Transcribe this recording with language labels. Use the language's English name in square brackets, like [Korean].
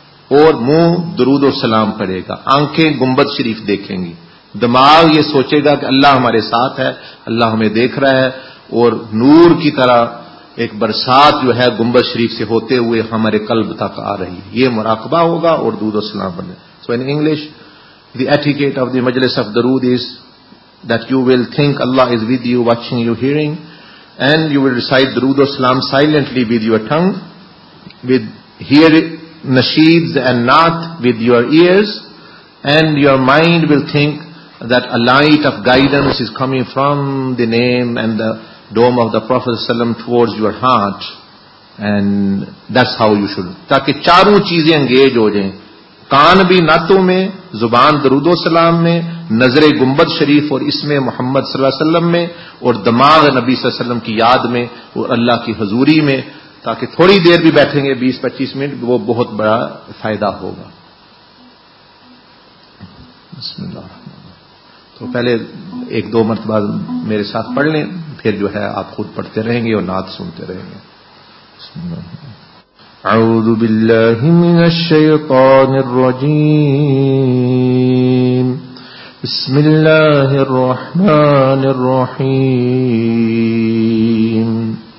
[Urdu] اور منہ درود و سلام پڑھے گا، آنکھیں گنبد شریف دیکھیں گی، دماغ یہ سوچے گا کہ اللہ ہمارے ساتھ ہے، اللہ ہمیں دیکھ رہا ہے، اور نور کی طرح ایک برسات جو ہے گنبد شریف سے ہوتے ہوئے ہمارے قلب تک آ رہی ہے. یہ مراقبہ ہوگا اور درود و سلام پڑھیں. [English] So in English, the etiquette of the Majlis of Durood is that you will think Allah is with you, watching you, hearing, and you will recite Durood o Salaam silently with your tongue, with hear nasheeds and naat with your ears, and your mind will think that a light of guidance is coming from the name and the dome of the Prophet ﷺ towards your heart, and that's how you should. [Urdu] تاکہ چاروں چیزیں engage ہو جائیں، کان بھی نعتوں میں، زبان درود و سلام میں، نظر گنبد شریف اور اس میں محمد صلی اللہ علیہ وسلم میں، اور دماغ نبی صلی اللہ علیہ وسلم کی یاد میں اور اللہ کی حضوری میں. تاکہ تھوڑی دیر بھی بیٹھیں گے 20-25 منٹ، وہ بہت بڑا فائدہ ہوگا. [Arabic] بسم اللہ الرحمن. [Urdu] تو پہلے ایک دو مرتبہ میرے ساتھ پڑھ لیں، پھر جو ہے آپ خود پڑھتے رہیں گے اور نعت سنتے رہیں گے. [Arabic] بسم اللہ. أعوذ بالله من الشيطان الرجيم. بسم الله الرحمن الرحيم.